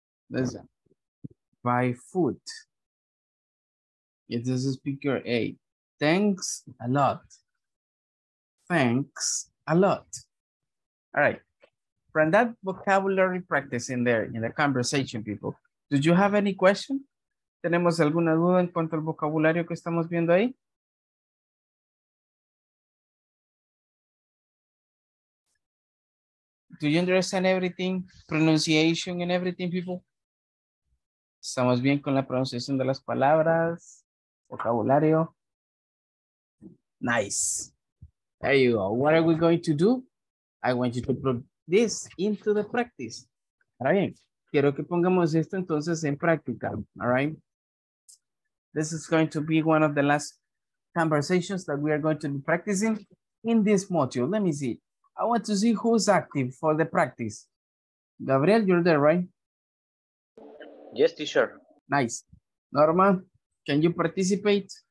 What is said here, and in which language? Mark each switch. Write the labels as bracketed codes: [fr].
[en] Listen, by foot. It is speaker A. Thanks a lot. Thanks a lot. All right. From that vocabulary practice in the conversation, people, do you have any question? [es] ¿Tenemos alguna duda en cuanto al vocabulario que estamos viendo ahí? [en] Do you understand everything? Pronunciation and everything, people? [es] ¿Estamos bien con la pronunciación de las palabras? [en] Vocabulario. Nice. There you go. What are we going to do? I want you to put this into the practice. [es] Ahora bien, quiero que pongamos esto entonces en práctica. [en] All right. This is going to be one of the last conversations that we are going to be practicing in this module. Let me see. I want to see who's active for the practice. Gabriel, you're there, right? Yes, teacher. Nice. Norma, can you participate?